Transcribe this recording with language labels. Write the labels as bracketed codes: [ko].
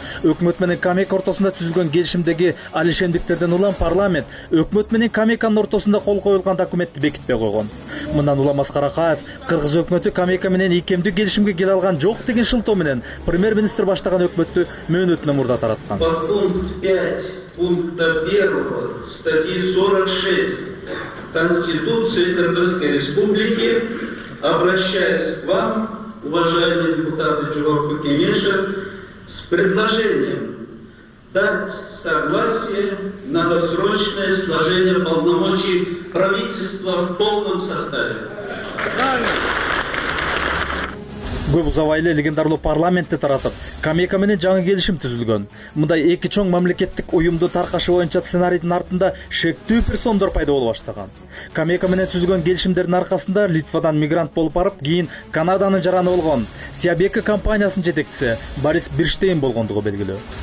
[ky] Өкмөт менен Камеко ортосунда түзүлгөн келишимдеги алишендиктерден улам парламент өкмөт менен Камеконун ортосунда кол коюлган документти бекитпей койгон. Мындан улам Аскар Акаев кыргыз өкмөтү Камеко менен ийкемдүү келишимге келе алган жок деген шылтоо менен премьер-министр баштаган өкмөттү мөөнөтүнө мурда тараткан. [ru] По пункту 5 пункта 1 статьи 46 Конституции Кыргызской Республики, обращаясь к вам, уважаемые депутаты Жогорку Кенеши, с предложением дать согласие на досрочное сложение полномочий правительство в полном составе. [ky] Көп узабай эле легендарлуу парламентти таратып, Камека менен жаңы келишим түзүлгөн. Мындай эки чоң мамлекеттик уюмду таркашы боюнча сценарийдин артында шектүү персондор пайда боло баштаган. Камека менен түзүлгөн келишимдердин аркасында Литвадан мигрант болуп барып, кийин Канаданын жараны болгон Сиабека компаниясынын жетекчиси Борис Бирштейн болгондугу белгилүү.